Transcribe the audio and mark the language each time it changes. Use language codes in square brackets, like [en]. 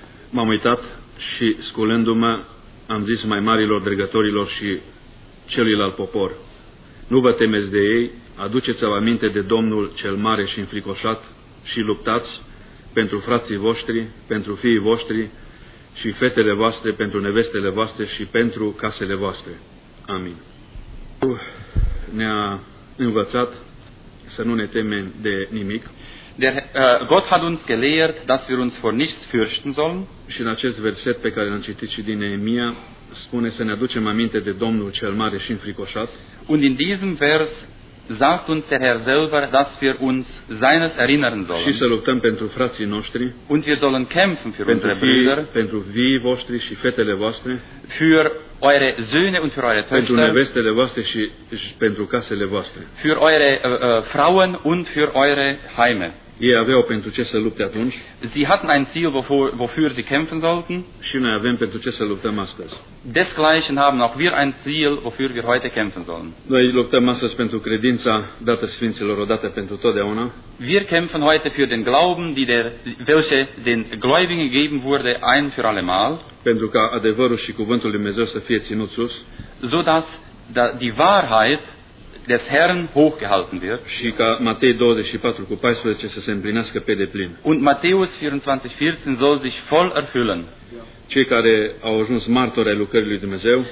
[ro] M-am uitat și sculându-mă am zis mai marilor dregătorilor și celuilalt popor: nu vă temeți de ei, aduceți-vă aminte de Domnul cel mare și înfricoșat și luptați pentru frații voștri, pentru fiii voștri și fetele voastre, pentru nevestele voastre și pentru casele voastre. Amin. Ne-a învățat să nu ne temem de nimic. [de] Gott hat uns gelehrt, dass wir uns vor nichts fürchten sollen. [ro] Și în acest verset pe care l-am citit și din Nehemia spune să ne aducem aminte de Domnul cel mare și înfricoșat. [de] Und in diesem Vers sagt uns der Herr selber, dass wir uns seines erinnern sollen. [ro] Și să luptăm pentru frații noștri. [de] Und wir sollen kämpfen für unsere Brüder. [ro] Pentru fiii voștri și fetele voastre. [de] Für eure Söhne und für eure Töchter. [ro] Pentru nevestele voastre și pentru casele voastre. [de] Für eure Frauen und für eure Heime. [ro] Ei aveau pentru ce să lupte atunci. [de] Sie hatten ein Ziel, wofür sie kämpfen sollten. [ro] Și noi avem pentru ce să luptăm astăzi. [de] Desgleichen haben auch wir ein Ziel, wofür wir heute kämpfen sollen. [ro] Noi luptăm astăzi pentru credința dată Sfinților, odată pentru totdeauna. [de] Wir kämpfen heute für den Glauben, welche den Gläubigen gegeben wurde, ein für alle Mal. [ro] Pentru ca adevărul și cuvântul lui Dumnezeu să fie ținut sus. [de] So dass die Wahrheit des Herrn hochgehalten wird. [ro] Și ca Matei 24 cu 14 să se împlinească pe deplin. [de] Und Matthäus 24, 14 soll sich voll erfüllen. [ro] Cei care au ajuns martori ai lucrării lui Dumnezeu.